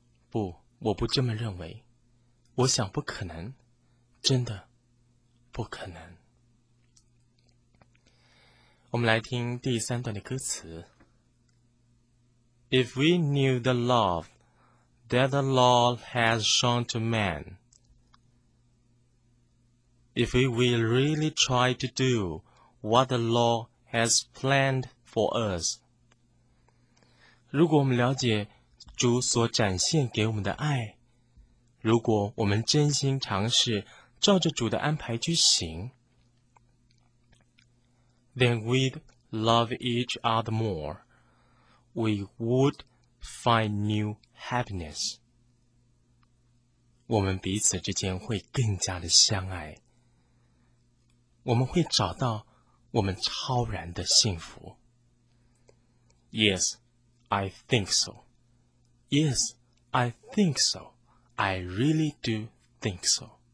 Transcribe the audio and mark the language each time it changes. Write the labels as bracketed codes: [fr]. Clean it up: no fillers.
[zh] 不，我不这么认为。我想不可能，真的不可能。我们来听第三段的歌词。 [en] If we knew the love that the Lord has shown to man, if we will really try to do what the Lord has planned for us. [zh] 如果我们了解主所展现给我们的爱，如果我们真心尝试照着主的安排去行， [en] Then we'd love each other more. We would find new happiness. [zh] 我们彼此之间会更加的相爱，我们会找到我们超然的幸福。 [en] Yes, I think so. Yes, I think so. I really do think so.